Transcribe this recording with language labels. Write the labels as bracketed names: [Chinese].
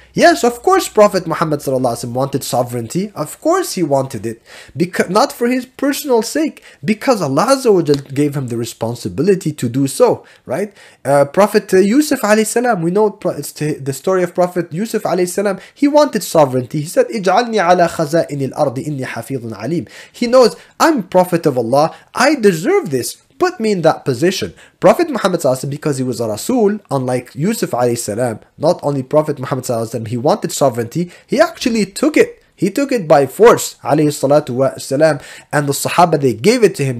[English] Yes, of course Prophet Muhammad sallallahu alaihi wasallam wanted sovereignty. Of course he wanted it. Because not for his personal sake, because Allah azza wa jal gave him the responsibility to do so, right? Prophet Yusuf alayhi salam, we know it's the story of Prophet Yusuf alayhi salam. He wanted sovereignty. He said, [Arabic] اجعلني على خزائن الأرض إني حفيظ عليم. [English] He knows, I'm Prophet of Allah, I deserve this. Put me in that position. Prophet Muhammad sallallahu alaihi wasallam, because he was a Rasul, unlike Yusuf alayhi salam, not only Prophet Muhammad sallallahu alaihi wasallam, he wanted sovereignty, he actually took it. He took it by force, alayhi salatu wa salam, and the Sahaba, they gave it to him.